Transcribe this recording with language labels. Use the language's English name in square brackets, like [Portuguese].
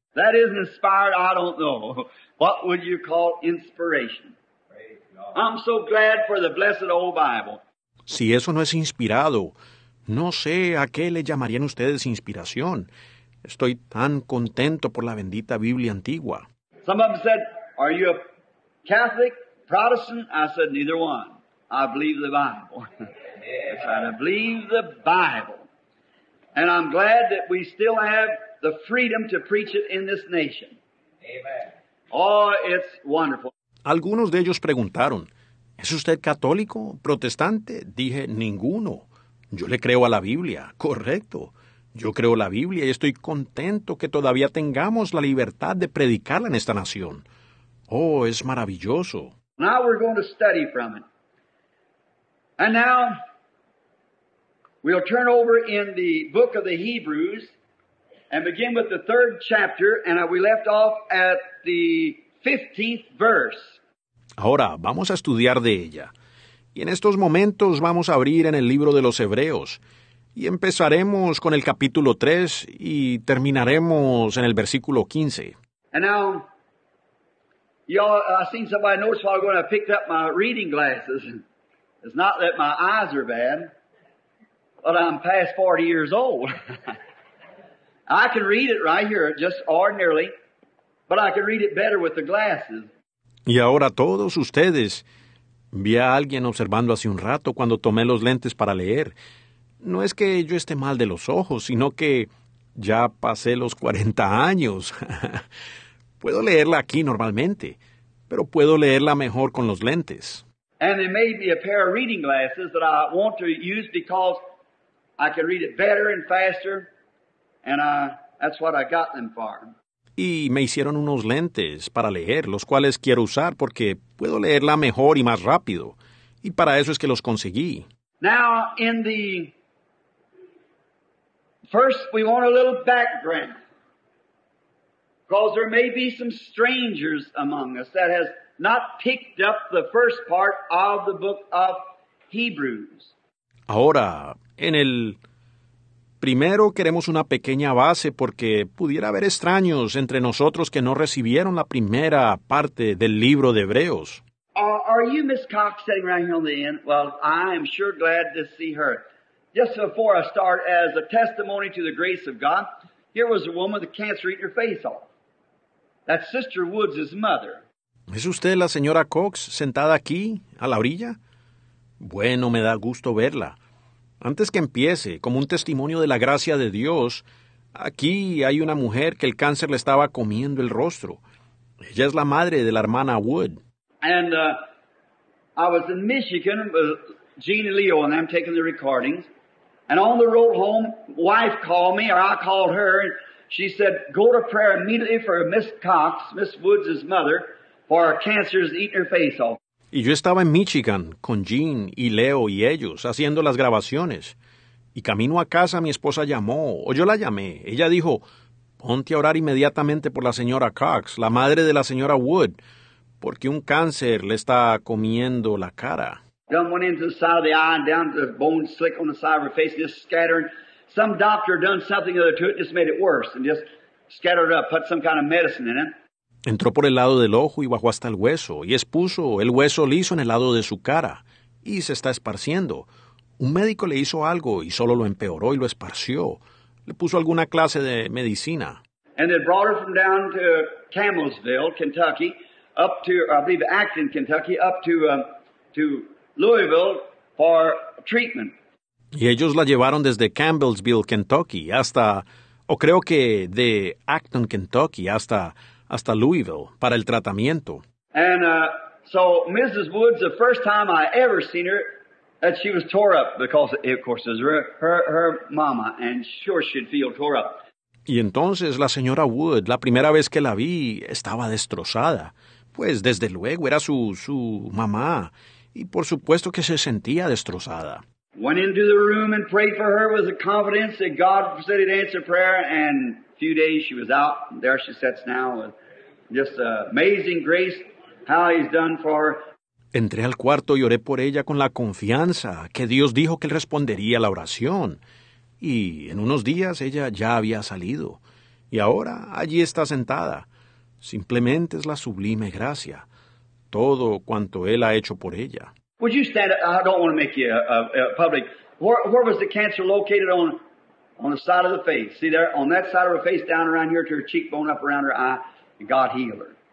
[English] That is inspired, I don't know. What would you call inspiration? Praise God. I'm so glad for the blessed old Bible. [Spanish] Si eso no es inspirado, no sé a qué le llamarían ustedes inspiración. Estoy tan contento por la bendita Biblia antigua. [English] Some of them said, are you a Catholic, Protestant? I said, neither one. I believe the Bible. I believe the Bible. And I'm glad that we still have the freedom to preach it in this nation. Amen. Oh, it's wonderful. [Spanish] Algunos de ellos preguntaron, ¿es usted católico, protestante? Dije, ninguno. Yo le creo a la Biblia. Correcto. Yo creo la Biblia y estoy contento que todavía tengamos la libertad de predicarla en esta nación. Oh, es maravilloso. [English] Now we're going to study from it. And now we'll turn over in the book of the Hebrews and begin with the third chapter, and we left off at the 15th verse. [Spanish] Ahora vamos a estudiar de ella. Y en estos momentos vamos a abrir en el libro de los Hebreos. Y empezaremos con el capítulo 3 y terminaremos en el versículo 15. [English] And now, I seen somebody notice while going, I picked up my reading glasses. It's not that my eyes are bad, but I'm past 40 years old. I can read it right here, just ordinarily, but I can read it better with the glasses. [Spanish] Y ahora todos ustedes, vi a alguien observando hace un rato cuando tomé los lentes para leer. No es que yo esté mal de los ojos, sino que ya pasé los 40 años. Puedo leerla aquí normalmente, pero puedo leerla mejor con los lentes. [English] And there may be a pair of reading glasses that I want to use because I can read it better and faster, and that's what I got them for. [Spanish] Y me hicieron unos lentes para leer, los cuales quiero usar porque puedo leerla mejor y más rápido. Y para eso es que los conseguí. [English] Now, in the... First, we want a little background. Because there may be some strangers among us that has not picked up the first part of the book of Hebrews. [Spanish] Ahora, en el... Primero queremos una pequeña base porque pudiera haber extraños entre nosotros que no recibieron la primera parte del libro de Hebreos. [English] Are you Miss Cox sitting right here on the end? Well, I am sure glad to see her. Just before I start, as a testimony to the grace of God, here was a woman with cancer eating her face off. That's Sister Woods' mother. [Spanish] ¿Es usted la señora Cox sentada aquí, a la orilla? Bueno, me da gusto verla. Antes que empiece, como un testimonio de la gracia de Dios, aquí hay una mujer que el cáncer le estaba comiendo el rostro. Ella es la madre de la hermana Wood. [English] And I was in Michigan with Jean and Leo, and I'm taking the recordings. And on the road home, wife called me, or I called her, and she said, go to prayer immediately for Miss Cox, Miss Woods' mother, for her cancer is eating her face off. [Spanish] Y yo estaba en Michigan con Jean y Leo y ellos haciendo las grabaciones. Y camino a casa, mi esposa llamó, o yo la llamé. Ella dijo, ponte a orar inmediatamente por la señora Cox, la madre de la señora Wood, porque un cáncer le está comiendo la cara. [English] Dumb went into the side of the eye and down to the bone slick on the side of her face and just scattering. Some doctor done something other to it and just made it worse and just scattered up, put some kind of medicine in it. [Spanish] Entró por el lado del ojo y bajó hasta el hueso, y expuso el hueso liso en el lado de su cara, y se está esparciendo. Un médico le hizo algo, y solo lo empeoró y lo esparció. Le puso alguna clase de medicina. [English] And they brought her from down to Camelsville, Kentucky, up to, I believe, Acton, Kentucky, up to Louisville for treatment. [Spanish] Y ellos la llevaron desde Campbellsville, Kentucky, hasta, o creo que de Acton, Kentucky, hasta Louisville, para el tratamiento. [English] And so Mrs. Woods, the first time I ever seen her, that she was tore up because, of course, it was her mama, and sure she'd feel tore up. [Spanish] Y entonces la señora Wood, la primera vez que la vi, estaba destrozada. Pues desde luego era su mamá, y por supuesto que se sentía destrozada. [English] Went into the room and prayed for her with the confidence that God said he'd answer prayer, and few days she was out, and there she sits now with just amazing grace how he's done for her. [Spanish] Entré al cuarto y oré por ella con la confianza que Dios dijo que él respondería la oración. Y en unos días ella ya había salido. Y ahora allí está sentada. Simplemente es la sublime gracia. todo cuanto Él ha hecho por ella. [English] Would you stand up? I don't want to make you public. Where was the cancer located on the side of the face? See there, on that side of her face, down around here to her cheekbone, up around her eye, and God healed her.